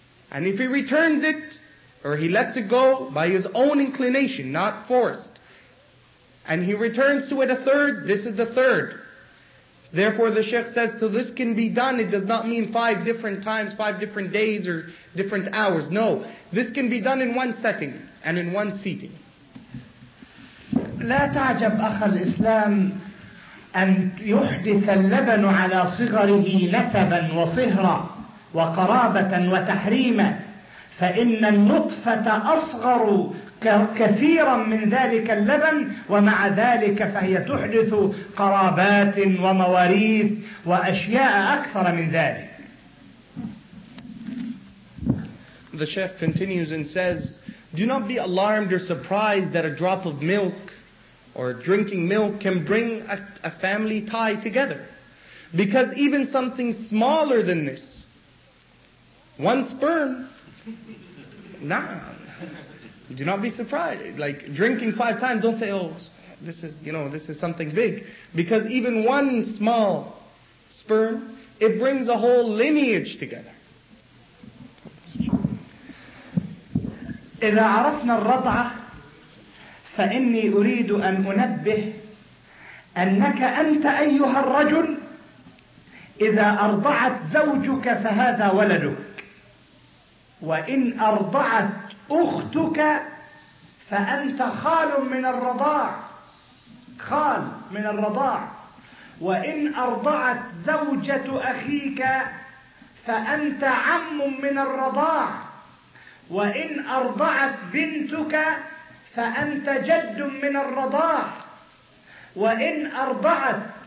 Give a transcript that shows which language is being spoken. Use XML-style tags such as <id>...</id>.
<en>And if he returns it, or he lets it go by his own inclination, not forced, and he returns to it a third, this is the third. Therefore the Sheikh says, till this can be done, it does not mean five different times, five different days or different hours. No, this can be done in one setting and in one seating.</en> <ar>لا تعجب أخ الإسلام أن يحدث اللبن على صغره نسبا وصهرا وقرابة وتحريما، فإن النطفة أصغر كثيرا من ذلك اللبن، ومع ذلك فهي تحدث قرابات ومواريث وأشياء أكثر من ذلك.</ar> <en>The Sheikh continues and says, do not be alarmed or surprised that a drop of milk or drinking milk can bring a family tie together. Because even something smaller than this, one sperm, nah. Do not be surprised. Like drinking five times, don't say, oh, this is something big. Because even one small sperm, it brings a whole lineage together.</en> <ar>إذا عرفنا الرضعة فإني أريد أن أنبه أنك أنت أيها الرجل إذا أرضعت زوجك فهذا ولدك، وإن أرضعت أختك فأنت خال من الرضاع، خال من الرضاع، وإن أرضعت زوجة أخيك فأنت عم من الرضاع، وإن أرضعت بنتك فأنت جد من الرضاع، وإن أرضعت</ar>